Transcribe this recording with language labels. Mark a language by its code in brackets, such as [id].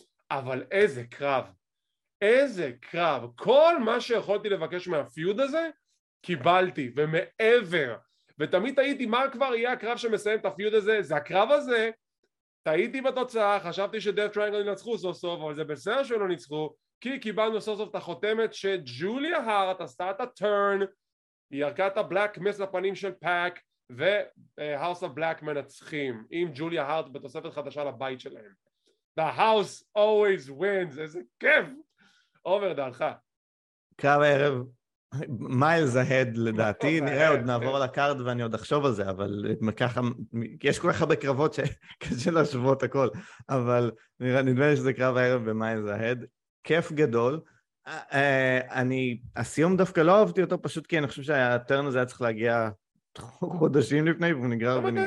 [he] אבל איזה קרב, איזה קרב, כל מה שיכולתי לבקש מהפיוד הזה, קיבלתי, ומעבר, ותמיד תהיתי מה כבר יהיה הקרב שמסיים את הפיוד הזה, זה הקרב הזה, תהיתי בתוצאה, חשבתי שדאף טריינגל ינצחו סוף סוף, אבל זה בסדר שלא ניצחו, כי קיבלנו סוף סוף את החותמת שג'וליה הארט עשתה את הטרן, היא ירקה את הבלאק מס לפנים של פאק, והאוס אוף בלאק מנצחים, עם ג'וליה הארט בתוספת חדשה לבית שלהם. [en] The house always wins, [he] איזה כיף! עובר דרכה. קרב הערב. מיילס אהד לדעתי, נראה עוד נעבור על הקארד ואני עוד אחשוב על זה, אבל ככה, יש כל כך הרבה קרבות שקשה להשוות הכל, אבל נדמה לי שזה קרב הערב במיילס אהד, כיף גדול, אני, הסיום דווקא לא אהבתי אותו פשוט כי אני חושב שהטרן הזה היה צריך להגיע חודשים לפני והוא נגרר ונגרר.